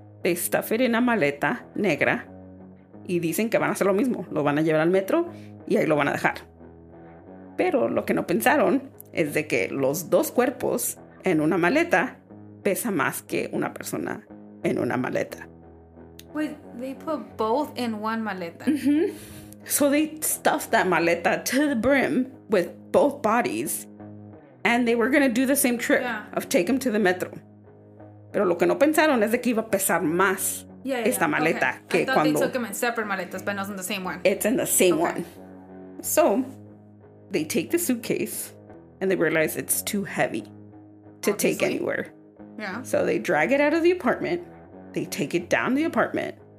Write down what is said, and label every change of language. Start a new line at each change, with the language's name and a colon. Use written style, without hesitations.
English: They stuff it in a
Spanish: maleta negra. Y dicen que van a hacer lo mismo. Lo van a llevar al metro y ahí lo van a dejar. Pero lo que no pensaron es de que los dos cuerpos en una maleta pesa más que una persona en una maleta.
English: Wait, they put both in one maleta. Mm-hmm. So they stuffed that maleta to the brim with both bodies. And they were going to do the same trip of take him to the metro.
Spanish: Pero lo que no pensaron es de que iba a pesar más esta maleta. Okay. Que
English: I thought
Spanish: cuando...
English: they took him in separate maletas, but not in the same one. It's in the same one. So they take the suitcase and they realize it's too heavy to take anywhere. Yeah. So they drag it out of the apartment. They take it down the apartment.